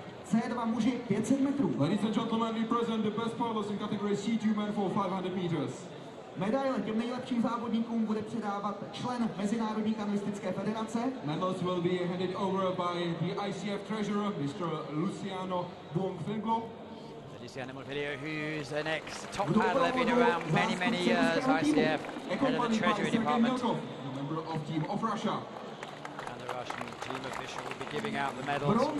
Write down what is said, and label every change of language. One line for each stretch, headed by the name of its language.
English: Ladies and gentlemen, we present the best powers in category C2 men for 500 meters.
Czech: Medaile těm nejlepším závodníkům bude předávat člen Mezinárodní kanoistické federace.
English: Medals will be handed over by the ICF treasurer, Mr. Luciano Buongfenglo. Luciano Morfilio, who's an ex-top paddler, been around many, many years, ICF, head of the Treasury Department. A member of Team of Russia. And the Russian team official will be giving out the medals.